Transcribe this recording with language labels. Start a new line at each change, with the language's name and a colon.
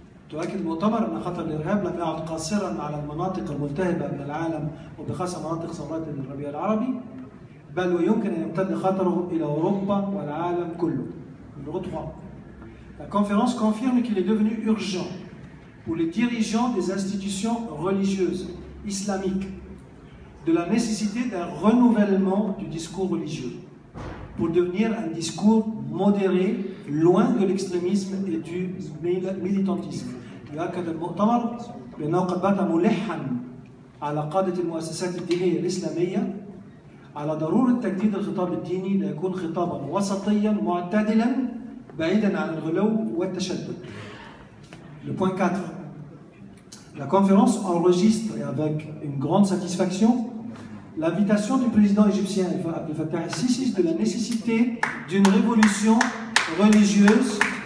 Arabic: تؤكد المؤتمر أن خطر الإرهاب لم يعد قاصرا على المناطق الملتهبة من العالم وبخاصة مناطق ثورات الربيع العربي بل ويمكن أن يمتد خطره إلى أوروبا والعالم كله.
French: Numéro 3. La conférence confirme qu'il est devenu urgent pour les dirigeants des institutions religieuses islamiques de la nécessité d'un renouvellement du discours religieux pour devenir un discours modéré loin de l'extrémisme et du militantisme.
Arabic: يؤكد المؤتمر بأنه قد بات ملحاً على قادة المؤسسات الدينية الإسلامية على ضرورة تجديد الخطاب الديني ليكون خطاباً وسطياً معتدلاً بعيداً عن الغلو والتشدد.
French: Le point 4. La conférence enregistre et avec une grande satisfaction l'invitation du président égyptien Abdel Fattah al-Sisi de la nécessité d'une révolution religieuse.